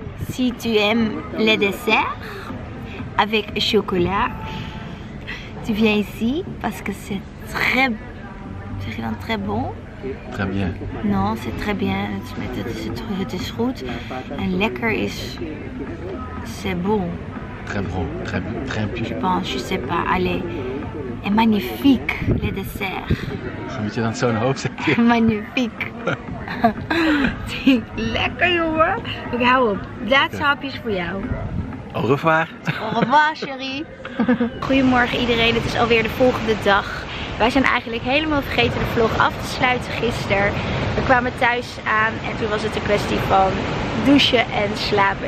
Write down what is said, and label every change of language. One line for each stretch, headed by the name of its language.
French: Si tu aimes le dessert avec chocolat, tu viens ici parce que c'est très,
Dutch: zeg je dan
French: très bon? Très bien. Non, c'est très bien.
Dutch: Het is goed en lekker is,
French: c'est bon. Très bon, très bien. Je pense, je sais pas. Allez, et magnifique le dessert. Ça me tient dans son
Dutch: hoofd, zeg je.
French: Magnifique.
Dutch: Lekker jongen. Ik hou op. Laatste hapjes voor jou.
French: Au revoir. Au revoir, chérie.
Dutch: Goedemorgen iedereen. Het is alweer de volgende dag. Wij zijn eigenlijk helemaal vergeten de vlog af te sluiten gisteren. We kwamen thuis aan en toen was het een kwestie van douchen en slapen.